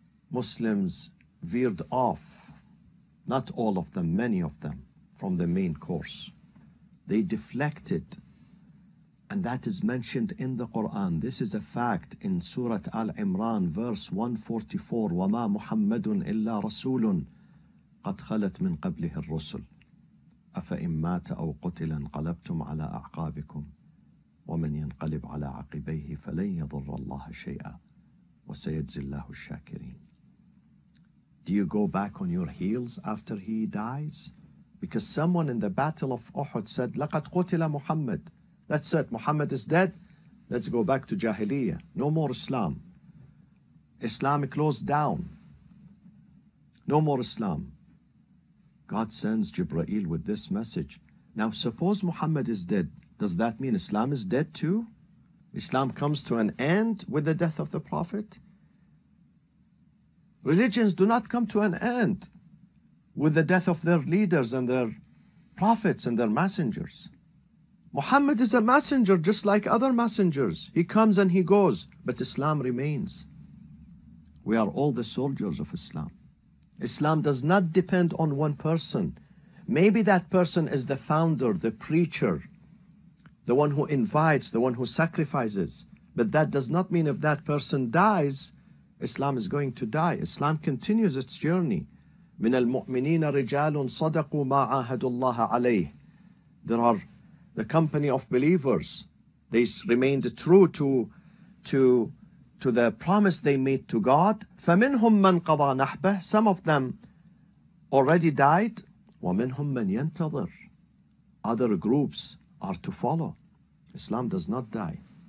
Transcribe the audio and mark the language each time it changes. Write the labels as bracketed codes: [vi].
[en] Muslims veered off, not all of them, many of them, from the main course. They deflected. And that is mentioned in the Quran. This is a fact in Surah Al-Imran, verse 144. [ar] وَمَا مُحَمَّدٌ إِلَّا رَسُولٌ قَدْ خَلَتْ مِنْ قَبْلِهِ الرُّسُلُ أَفَإِنْ مَاتَ أَوْ قُتِلَ انْقَلَبْتُمْ عَلَىٰ أَعْقَابِكُمْ وَمَنْ يَنْقَلِبْ عَلَىٰ عَقِبَيْهِ فَلَنْ يَضُرَّ اللَّهَ شَيْئًا وَسَيَجْزِي اللَّهُ الشَّاكِرِينَ. [en] Do you go back on your heels after he dies? Because someone in the battle of Uhud said, [ar] لَقَدْ قُتِلَ مُحَمَّدْ. [en] That's it, Muhammad is dead. Let's go back to Jahiliyyah. No more Islam. Islam closed down. No more Islam. God sends Jibreel with this message. Now suppose Muhammad is dead. Does that mean Islam is dead too? Islam comes to an end with the death of the Prophet? Religions do not come to an end with the death of their leaders and their prophets and their messengers. Muhammad is a messenger just like other messengers. He comes and he goes, but Islam remains. We are all the soldiers of Islam. Islam does not depend on one person. Maybe that person is the founder, the preacher, the one who invites, the one who sacrifices. But that does not mean if that person dies, Islam is going to die. Islam continues its journey. [ar] من المؤمنين رجال صدقوا ما عاهدوا الله عليه. [en] There are the company of believers. They remained true to the promise they made to God. [ar] فَمِنْهُمْ مَنْ قَضَى نَحْبَهُ. [en] Some of them already died. [ar] وَمِنْهُمْ مَنْ يَنْتَظَرُ. [en] Other groups are to follow. Islam does not die.